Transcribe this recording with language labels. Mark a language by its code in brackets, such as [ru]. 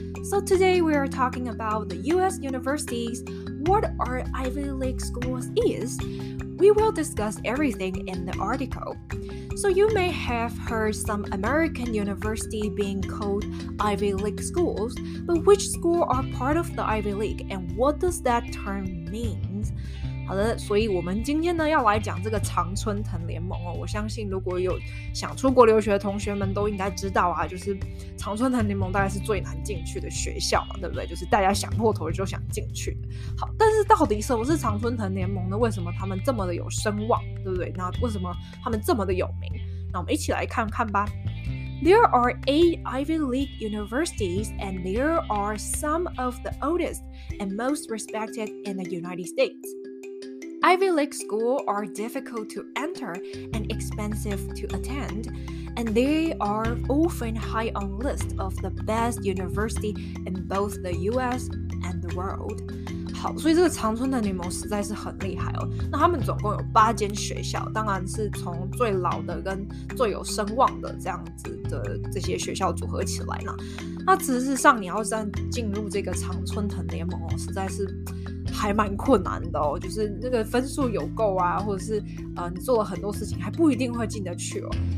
[en] So today we are talking about the U.S. universities, what are Ivy League schools is. We will discuss everything in the article. So you may have heard some American university being called Ivy League schools, but which school are part of the Ivy League and what does that term mean? [zh] 好的，所以我们今天呢要来讲这个常春藤联盟哦。我相信如果有想出国留学的同学们都应该知道啊，就是常春藤联盟大概是最难进去的学校嘛，对不对？就是大家想破头就想进去。好，但是到底什么是常春藤联盟呢？为什么他们这么的有声望，对不对？那为什么他们这么的有名？那我们一起来看看吧。 [en] There are 8 Ivy League universities, and there are some of the oldest and most respected in the United States. Ivy League schools are difficult to enter and expensive to attend, and they are often high on the list of the best universities in both the US and the world. [zh] 好，所以这个常春藤联盟实在是很厉害哦。那他们总共有八间学校，当然是从最老的跟最有声望的这样子的这些学校组合起来呢。那事实上，你要再进入这个常春藤联盟哦，实在是还蛮困难的哦，就是那个分数有够啊，或者是你做了很多事情还不一定会进得去哦。